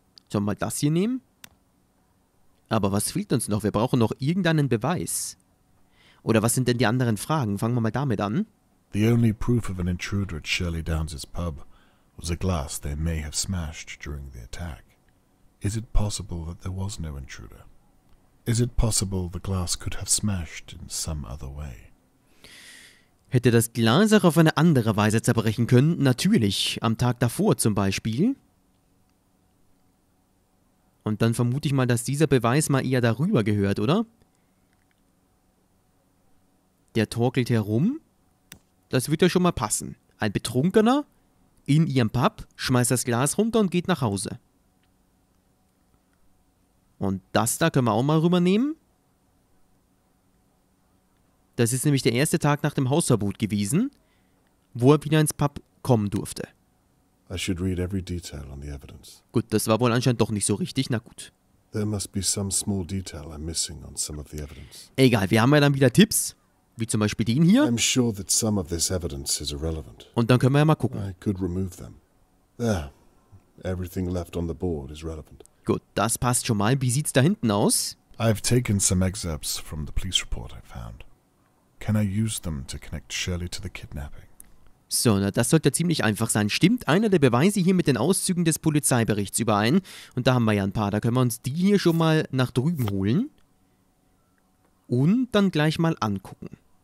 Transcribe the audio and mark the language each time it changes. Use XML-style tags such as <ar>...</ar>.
<de>Sollen wir mal das hier nehmen? Aber was fehlt uns noch? Wir brauchen noch irgendeinen Beweis. Oder was sind denn die anderen Fragen? Fangen wir mal damit an.</de> <en>The only proof of an intruder at Shirley Downs' pub was a glass they may have smashed during the attack. Is it possible that there was no intruder? Is it possible the glass could have smashed in some other way?</en> <de>Hätte das Glas auch auf eine andere Weise zerbrechen können? Natürlich, am Tag davor zum Beispiel. Und dann vermute ich mal, dass dieser Beweis mal eher darüber gehört, oder? Der torkelt herum. Das wird ja schon mal passen. Ein Betrunkener in ihrem Pub schmeißt das Glas runter und geht nach Hause. Und das da können wir auch mal rübernehmen. Das ist nämlich der erste Tag nach dem Hausverbot gewesen, wo er wieder ins Pub kommen durfte.</de> <en>I should read every detail on the evidence.</en> <de>Gut, das war wohl anscheinend doch nicht so richtig, na gut.</de> <en>There must be some small detail I'm missing on some of the evidence.</en> <de>Egal, wir haben ja dann wieder Tipps. Wie zum Beispiel den hier.</de> <en>I'm sure that some of this evidence is irrelevant.</en> <de>Und dann können wir ja mal gucken.</de> <en>I could remove them. There. Everything left on the board is relevant.</en> <de>Gut, das passt schon mal. Wie sieht's da hinten aus?</de> <en>I've taken some excerpts from the police report I found. Can I use them to connect Shirley to the kidnapping?</en> <de>So, na, das sollte ziemlich einfach sein. Stimmt einer der Beweise hier mit den Auszügen des Polizeiberichts überein? Und da haben wir ja ein paar. Da können wir uns die hier schon mal nach drüben holen. Und dann gleich mal angucken.</de>